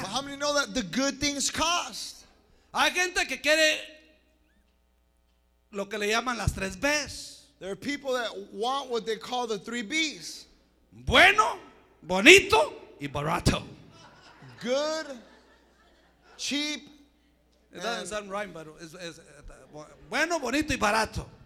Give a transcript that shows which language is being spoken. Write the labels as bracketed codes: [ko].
[en] But how many know that the good things cost? [es] Hay gente que quiere lo que le llaman las tres B's. [en] There are people that want what they call the three B's. [es] Bueno, bonito y barato. [en] Good, cheap. It doesn't sound right, but it's bueno, bonito y barato.